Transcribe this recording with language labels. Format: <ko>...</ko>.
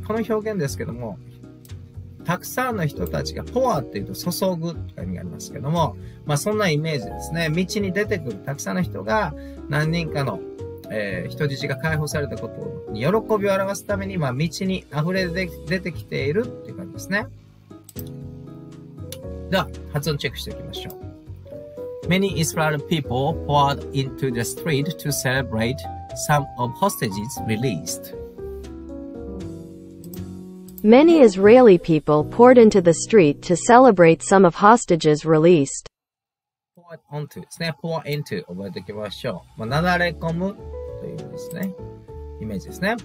<ja>この表現ですけれども、たくさんの人たちが、pour っていうと、注ぐとか意味がありますけれども、まあ、そんなイメージですね。道に出てくるたくさんの人が、何人かの、人質が解放されたことに喜びを表すために、まあ、道に溢れ出てきているっていう感じですね。では、発音チェックしていきましょう。</ja> <en>Many Israeli people poured into the street to celebrate some of hostages released. Many Israeli people poured into the street to celebrate some of hostages released.</en> <ja>Poured onto ですね。Pour into 覚えておきましょう。まあ、なだれ込むというですね、イメージですね。</ja>